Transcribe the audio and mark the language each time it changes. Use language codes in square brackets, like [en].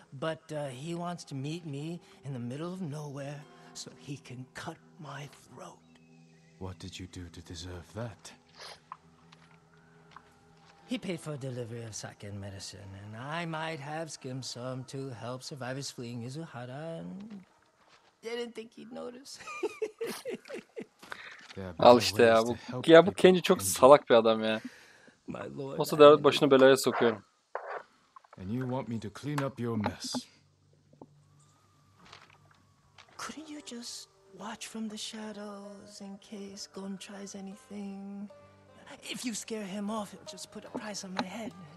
[en] But he wants to meet me in the middle of nowhere so he can cut my throat. What did you do to deserve that? He paid for a delivery of sake and medicine, and I might have skimmed some to help survivors fleeing Izuhara, and didn't think he'd notice. [tr] Al işte ya, bu ya bu Kenji çok salak bir adam ya. [en] My lord, [tr] Olsa devlet başını belaya sokuyorum. [en] And you want me to clean up your mess? Couldn't you just watch from the shadows in case Gon tries anything? If you scare him off, he'll just put a price on my head.